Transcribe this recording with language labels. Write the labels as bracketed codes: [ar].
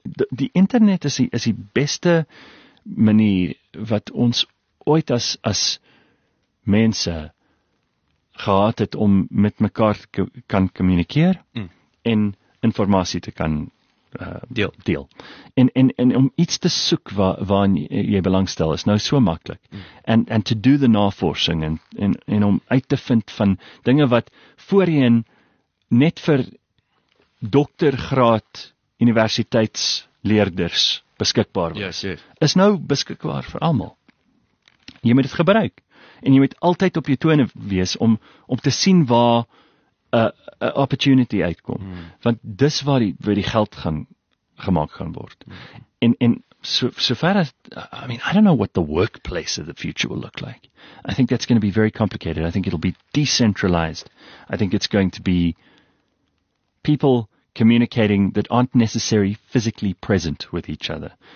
[af] Die internet is die beste manier wat ons ooit as mense gehad het om met mekaar kan kommunikeer en informatie te kan deel. En om iets te soek waar jy belangstel is nou so maklik. [en] And to do the [af] navorsing en om uit te vind van dinge wat voorheen net vir doktergraad universiteitsleerders beskikbaar was, is nou beskikbaar vir almal. Jy moet dit gebruik. En jy moet altyd op jou tone wees om te sien waar 'n opportunity uitkom. Want dis waar die geld gaan gemaak gaan word. En sover as, [en] I mean, I don't know what the workplace of the future will look like. I think that's going to be very complicated. I think it'll be decentralized. I think it's going to be people communicating that aren't necessarily physically present with each other.